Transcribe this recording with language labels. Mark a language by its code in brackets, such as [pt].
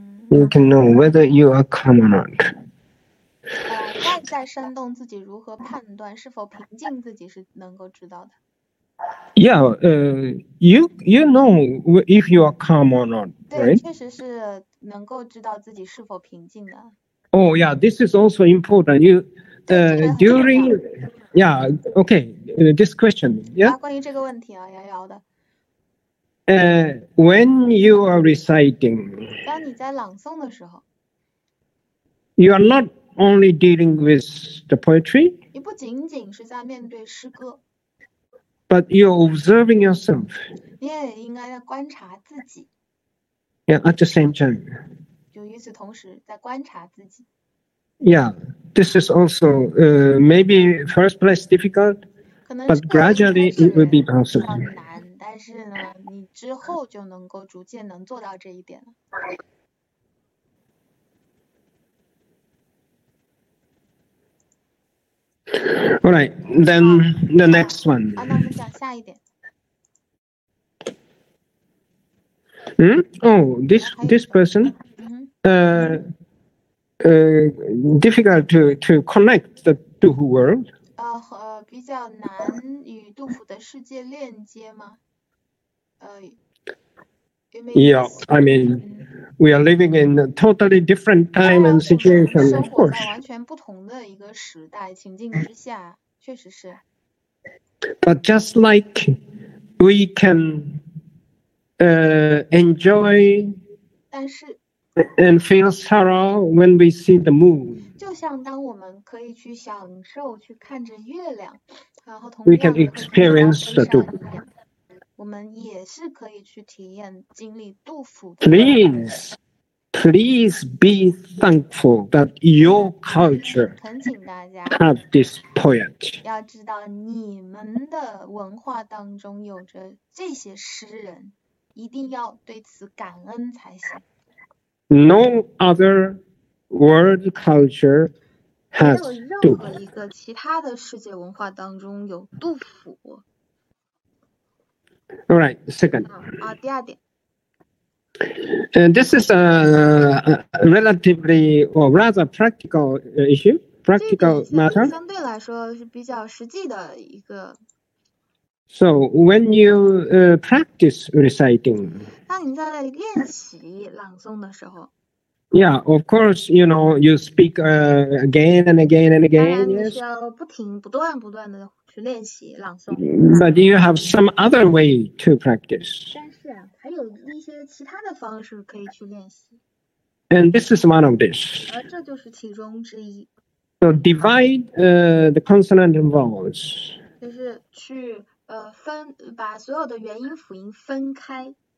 [en] You can know whether you are calm or not. [zh] 外在生动，自己如何判断是否平静，自己是能够知道的。 [en] Yeah, you know if you are calm or not, right? [zh] 对，确实是能够知道自己是否平静的。 [en] Oh yeah, this is also important. You, during, yeah, okay, this question, yeah. [zh] 关于这个问题啊，瑶瑶的。 [en] When you are reciting, [zh] 当你在朗诵的时候 [en] you are not only dealing with the poetry, [zh] 你不仅仅是在面对诗歌 [en] but you're observing yourself. [zh] 你也应该在观察自己 [en] Yeah, at the same time. [zh] 就与此同时在观察自己 [en] Yeah, this is also maybe first place difficult, but gradually it will be possible. [zh] 但是呢，你之后就能够逐渐能做到这一点了。 [en] All right, then the next one. [zh] 好，那我们讲下一点。 [en] This person, difficult to connect the Dufu world. [zh] 比较难与杜甫的世界链接吗？ [en] I mean, we are living in a totally different time and situation, of course. [zh] 完全不同的一个时代情境之下，确实是。 [en] But just like we can enjoy and feel sorrow when we see the moon. [zh] 就像当我们可以去享受去看着月亮，然后同 [en] ，We [zh] 样 [en] can [zh] 也可以去 [en] experience [zh] 欣 [en] the [zh] 赏月亮，我们也是可以去体验经历杜甫的。 [en] Please, please be thankful that your culture have this poet. [zh] 要知道你们的文化当中有着这些诗人，一定要对此感恩才行。 [en] No other world culture has [zh] 没有任何一个其他的世界文化当中有杜甫。 [en] All right, second. [zh] 第二点。 [en] And this is a relatively or rather practical issue, practical matter. [zh] 相对来说是比较实际的一个。 [en] So when you practice reciting, [zh] 当你在练习朗诵的时候。 [en] Yeah, of course, you know, you speak again and again and again. [zh] 当然你需要不停不断不断的去练习朗诵。 [en] But you have some other way to practice. [zh] 但是啊，还有一些其他的方式可以去练习。 [en] And this is one of this. [zh] 而这就是其中之一。 [en] So divide the consonant and vowels. [zh] 就是去分把所有的元音辅音分开。